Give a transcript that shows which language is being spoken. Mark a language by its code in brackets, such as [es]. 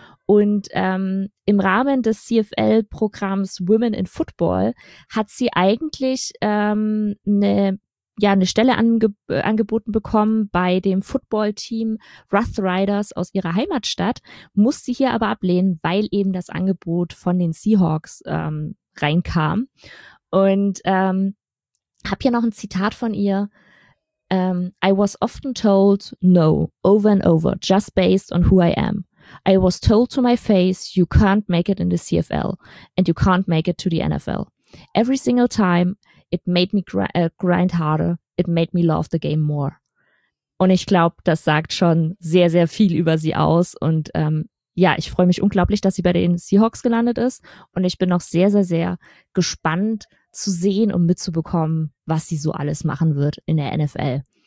[de] Und im Rahmen des CFL-Programms Women in Football hat sie eigentlich eine Stelle angeboten bekommen bei dem Football-Team Rough Riders aus ihrer Heimatstadt, musste hier aber ablehnen, weil eben das Angebot von den Seahawks reinkam. Und habe hier noch ein Zitat von ihr. [en] I was often told no, over and over, just based on who I am. I was told to my face, you can't make it in the CFL and you can't make it to the NFL. Every single time, it made me grind harder, it made me love the game more. [de] Und ich glaube, das sagt schon sehr, sehr viel über sie aus. Und ja, ich freue mich unglaublich, dass sie bei den Seahawks gelandet ist. Und ich bin noch sehr, sehr, sehr gespannt zu sehen und mitzubekommen, was sie so alles machen wird in der NFL.